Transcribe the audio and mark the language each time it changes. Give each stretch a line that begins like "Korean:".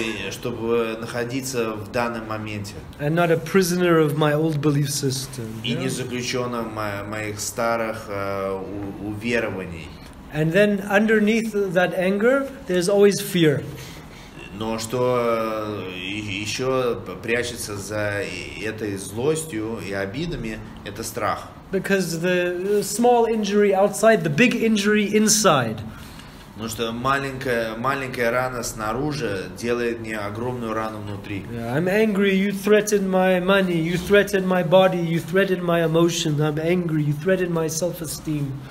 Russian: Чтобы находиться в данном моменте.
English: And not a prisoner of my old belief system.
Russian: И не заключенным моих старых уверований.
English: And then underneath that anger, there's always fear.
Russian: Но что еще прячется за этой злостью и обидами, это страх.
English: Because the small injury outside, the big injury inside.
Russian: Потому что маленькая рана снаружи делает мне огромную рану внутри.
English: Yeah, I'm angry, you threatened my money, you threatened my body, you threatened my emotion, I'm angry, you threatened my self-esteem.